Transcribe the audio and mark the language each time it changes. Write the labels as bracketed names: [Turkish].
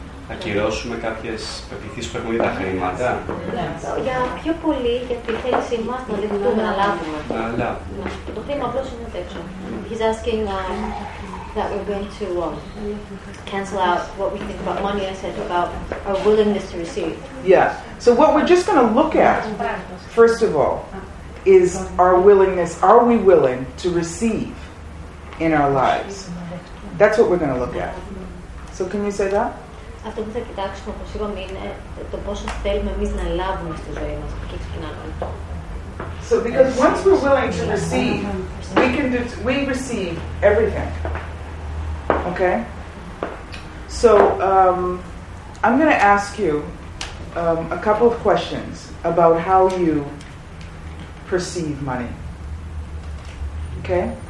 [Greek] Ακυρώσουμε κάποιες πεπιθήσεις που έχουμε για τα χρήματα. Για πιο πολύ για τη θέλησή μας να δεχτούμε να λάβουμε. Το χρήμα απλώς είναι τέτοιο. [English] He's asking that we're going to cancel out what we think about money. I said about our willingness to receive. Yeah. So what we're just going to look at, first of all, is our willingness. Are we willing to receive in our lives? That's what we're going to look at. So can you say that? [Greek] Αυτό που θα κοιτάξουμε, όπως είπαμε, είναι το πόσο θέλουμε εμείς να λάβουμε στη ζωή μας. Και ξεκινάμε. [English] So because once we're willing to receive, we can do, we receive everything. Okay? So I'm going to ask you a couple of questions about how you perceive money. Okay?